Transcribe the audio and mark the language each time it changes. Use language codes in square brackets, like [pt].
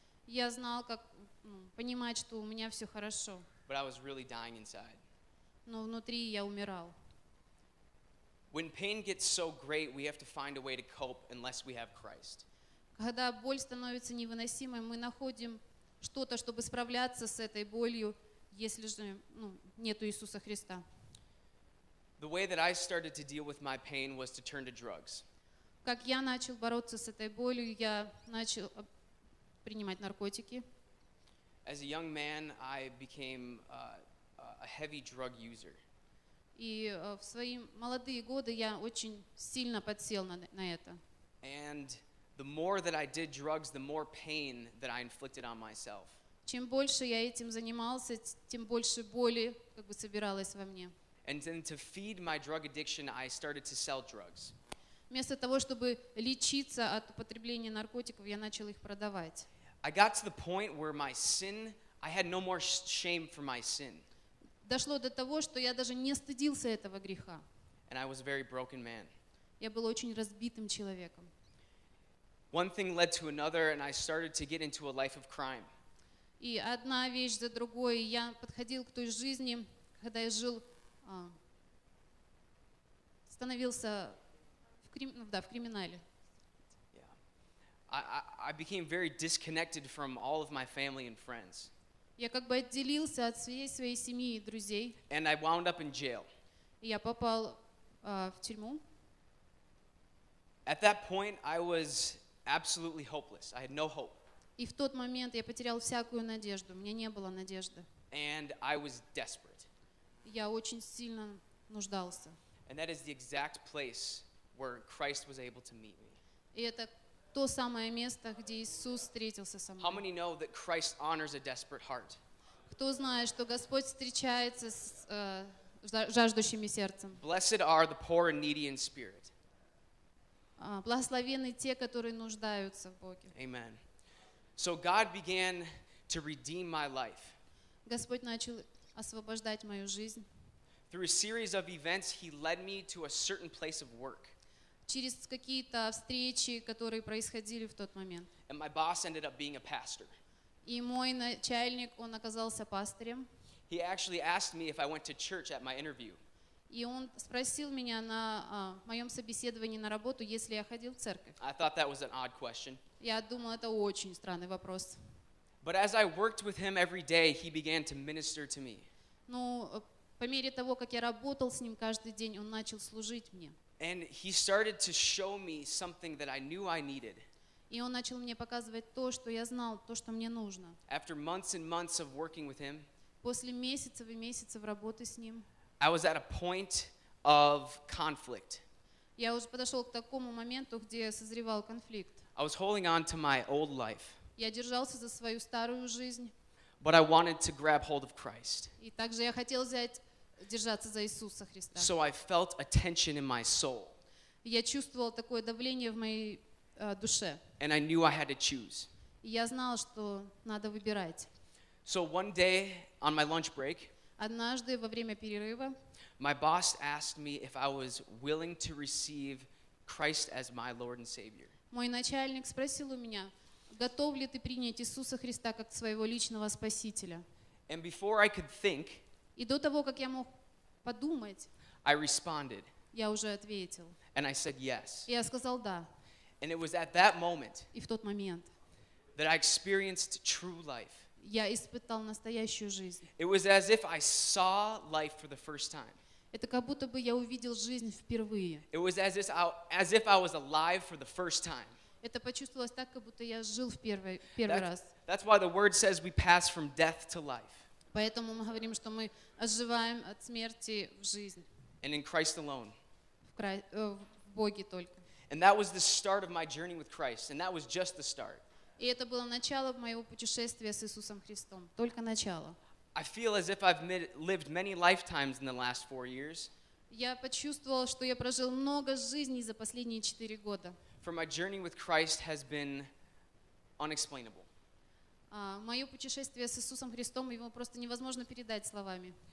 [ru] Я знал, как понимать, что у меня все хорошо. [en] But I was really dying inside. [ru] Но внутри я умирал. [en] When pain gets so great, we have to find a way to cope unless we have Christ. [ru] Когда боль становится невыносимой, мы находим что-то, чтобы справляться с этой болью, если же нету Иисуса Христа. [en] The way that I started to deal with my pain was to turn to drugs. [ru] Как я начал бороться с этой болью, я начал принимать наркотики. [en] As a young man, I became a heavy drug user. [ru] И в свои молодые годы я очень сильно подсел на это. [en] And the more that I did drugs, the more pain that I inflicted on myself. [ru] Чем больше я этим занимался, тем больше боли как бы собиралось во мне. [en] And then to feed my drug addiction, I started to sell drugs. [ru] Вместо того, чтобы лечиться от употребления наркотиков, я начал их продавать. [en] I got to the point where my sin, I had no more shame for my sin. [ru] Дошло до того, что я даже не стыдился этого греха. [en] And I was a very broken man. [ru] Я был очень разбитым человеком. [en] One thing led to another, and I started to get into a life of crime. [ru] И одна вещь за другой, я подходил к той жизни, когда я жил, становился в криминале. [en] I became very disconnected from all of my family and friends. [ru] Я как бы отделился от всей своей семьи и друзей. [en] And I wound up in jail. [ru] Я попал в тюрьму. [en] At that point, I was absolutely hopeless. I had no hope. [ru] И в тот момент я потерял всякую надежду. У меня не было надежды. [en] And I was desperate. [ru] Я очень сильно нуждался. [en] And that is the exact place where Christ was able to meet me. [ru] И это то самое место, где Иисус встретился со мной. [en] How many know that Christ honors a desperate heart? [ru] Кто знает, что Господь встречается с жаждущими сердцем? [en] Blessed are the poor and needy in spirit. [ru] Благословенны те, которые нуждаются в Боге. [en] Amen. So God began to redeem my life. [ru] Господь начал освобождать мою жизнь. [en] Through a series of events, He led me to a certain place of work. [ru] Через какие-то встречи, которые происходили в тот момент. [en] And my boss ended up being a pastor. [ru] И мой начальник, он оказался пастырем. [en] He actually asked me if I went to church at my interview. [ru] И он спросил меня на моем собеседовании на работу, если я ходил в церковь. [en] I thought that was an odd question. [ru] Я думал, это очень странный вопрос. [en] But as I worked with him every day, he began to minister to me. [ru] Ну, по мере того, как я работал с ним каждый день, он начал служить мне. [en] And he started to show me something that I knew I needed. [ru] И он начал мне показывать то, что я знал, то, что мне нужно. [en] After months and months of working with him, [ru] после месяцев и месяцев работы с ним, [en] I was at a point of conflict. [ru] Я уже подошел к такому моменту, где созревал конфликт. [en] I was holding on to my old life. [ru] Я держался за свою старую жизнь. [en] But I wanted to grab hold of Christ. [ru] И также я хотел взять держаться за Иисуса Христа. [en] So I felt a tension in my soul. [ru] Я чувствовал такое давление в моей душе. [en] And I knew I had to choose. [ru] Я знал, что надо выбирать. [en] So one day on my lunch break, [ru] однажды во время перерыва, [en] my boss asked me if I was willing to receive Christ as my Lord and Savior. [ru] Мой начальник спросил у меня, готов ли ты принять Иисуса Христа как своего личного спасителя? [en] And before I could think, [ru] и до того, как я мог подумать, [en] I responded. [ru] Я уже ответил. [en] And I said yes. [ru] И я сказал да. [en] And it was at that moment, [ru] и в тот момент, [en] that I experienced true life. [ru] Я испытал настоящую жизнь. [en] It was as if I saw life for the first time. [ru] Это как будто бы я увидел жизнь впервые. [en] It was as if I was alive for the first time. [ru] Это почувствовалось так, как будто я жил в первый раз. [en] That's why the word says we pass from death to life. [ru] Поэтому мы говорим, что мы оживаем от смерти в жизнь. [en] And in Christ alone. [ru] В Боге только. [en] And that was the start of my journey with Christ. And that was just the start. [ru] И это было начало моего путешествия с Иисусом Христом. Только начало. [en] I feel as if I've lived many lifetimes in the last 4 years. [ru] Я почувствовал, что я прожил много жизней за последние 4 года. [en] For my journey with Christ has been unexplainable. [ru] Мое путешествие с Иисусом Христом, его просто невозможно передать словами.